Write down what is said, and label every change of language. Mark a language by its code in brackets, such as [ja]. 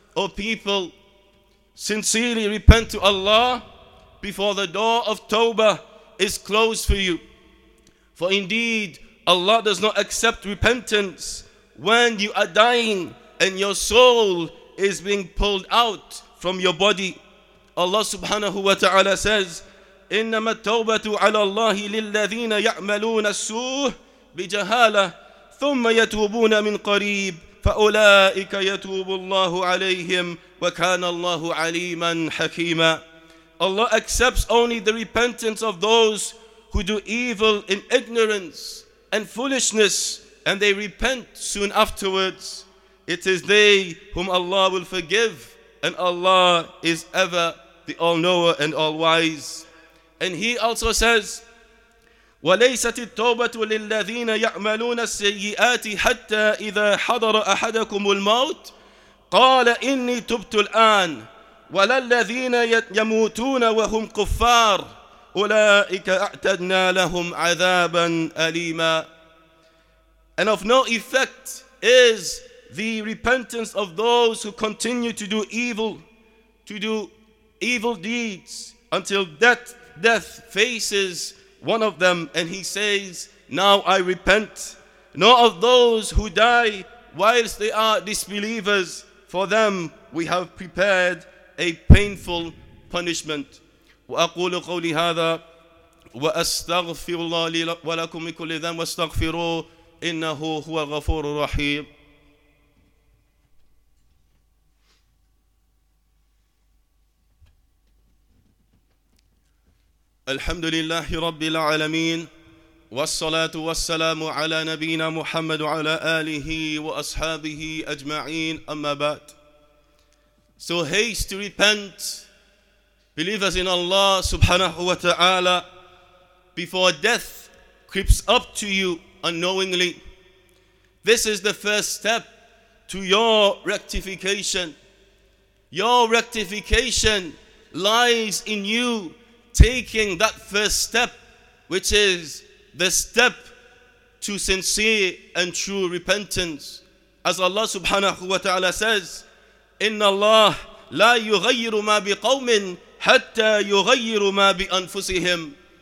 [en] O people, sincerely repent to Allah before the door of tawbah is closed for you. For indeed, Allah does not accept repentance when you are dying and your soul is being pulled out from your body. Allah subhanahu wa ta'ala says, [ar] إنما التوبة على الله للذين يعملون السوء بجهالة ثم يتوبون من قريب فأولئك يتوب الله عليهم وكان الله عليما حكيما. [en] Allah accepts only the repentance of those who do evil in ignorance and foolishness, and they repent soon afterwards. It is they whom Allah will forgive, and Allah is ever the all-knower and all-wise. And he also says, [ar] وَلَيْسَتِ التَّوْبَةُ لِلَّذِينَ يَعْمَلُونَ السَّيِّئَاتِ حَتَّى إِذَا حَضَرَ أَحَدَكُمُ الْمَوْتِ قَالَ إِنِّي تُبْتُ الْآنِ وَلَلَّذِينَ يَمُوتُونَ وَهُمْ كُفَّارِ أُولَٰئِكَ أَعْتَدْنَا لَهُمْ عَذَابًا أَلِيمًا. [en] And of no effect is the repentance of those who continue to do evil, to do evil deeds until death faces one of them and he says, now I repent. Nor of those who die whilst they are disbelievers, for them we have prepared a painful punishment. [ar] وأقول قولي هذا وأستغفر الله لي ولكم كل ذنب واستغفروه إنه هو الغفور الرحيم. الحمد لله رب العالمين والصلاة والسلام على نبينا محمد وعلى آله وأصحابه أجمعين أما بعد. [en] So haste to repent, believers in Allah subhanahu wa ta'ala, before death creeps up to you unknowingly. This is the first step to your rectification. Your rectification lies in you taking that first step, which is the step to sincere and true repentance. As Allah subhanahu wa ta'ala says, [ar] إِنَّ اللَّهَ لَا يُغَيِّرُ مَا بِقَوْمٍ حَتَّى يُغَيِّرُ مَا بِأَنفُسِهِمْ.